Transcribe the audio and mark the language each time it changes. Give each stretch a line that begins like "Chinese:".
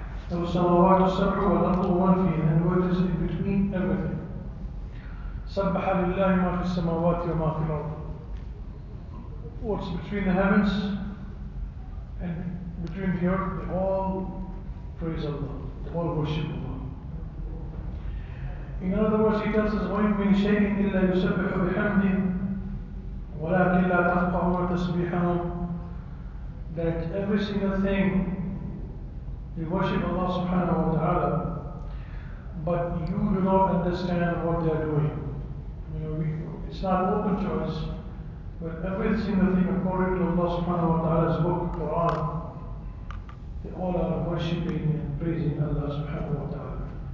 Arabic: لَهُ السَّمَاوَاتُ السَّبْعُ وَالْأَرْضُ وَمَنْ فِيهِنَّ.
English: And what is in between? Everything.
Arabic: سَبَّحَ لِلَّهِ مَا فِي السَّمَاوَاتِ وَمَا فِي الْأَرْضِ.
English: What's between the heavens and between the earth, they all praise Allah. All worship Allah. In other words, He tells us,
Arabic: وَإِن مِّن شَيْءٍ إِلَّا يُسَبِّحُ بِحَمْدٍ وَلَكِنْ لَا تَفْقَهُونَ تَسْبِيحَهُمْ.
English: That every single thing, they worship Allah subhanahu wa ta'ala, but you do not understand what they are doing. You know, it's not open choice, but every single thing according to Allah subhanahu wa ta'ala's book, Quran, they all are worshipping and praising Allah subhanahu wa ta'ala.